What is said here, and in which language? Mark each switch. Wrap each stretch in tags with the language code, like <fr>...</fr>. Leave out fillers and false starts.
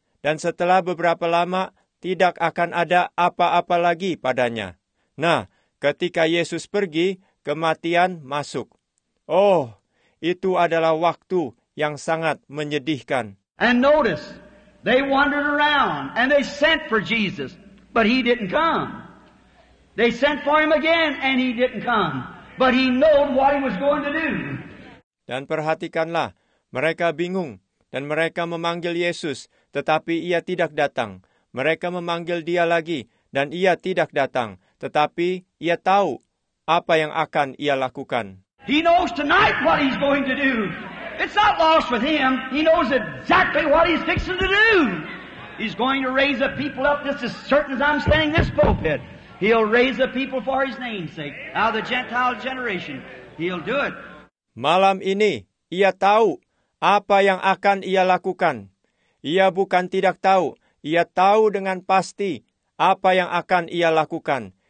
<id>Dan setelah beberapa lama, tidak akan ada apa-apa lagi padanya. Nah, ketika Yesus pergi, kematian masuk. Oh, itu adalah waktu yang sangat menyedihkan.</id> <en>And notice, they wandered around and they sent for Jesus, but he didn't come. They sent for him again and he didn't come, but he knew what he was going to do.</en> <id>Dan perhatikanlah, mereka bingung dan mereka memanggil Yesus, tetapi ia tidak datang. Mereka memanggil dia lagi dan ia tidak datang. Tetapi ia tahu apa yang akan ia lakukan.</id> <en>He knows tonight what he's going to do. It's not lost with him. He knows exactly what he's fixing to do. He's going to raise a people up just as certain as I'm standing this pulpit. He'll raise a people for his name's sake. Out of the Gentile generation, he'll do it.</en> <id>Malam ini, ia tahu apa yang akan ia lakukan. Ia bukan tidak tahu. Ia tahu dengan pasti apa yang akan ia lakukan.</id>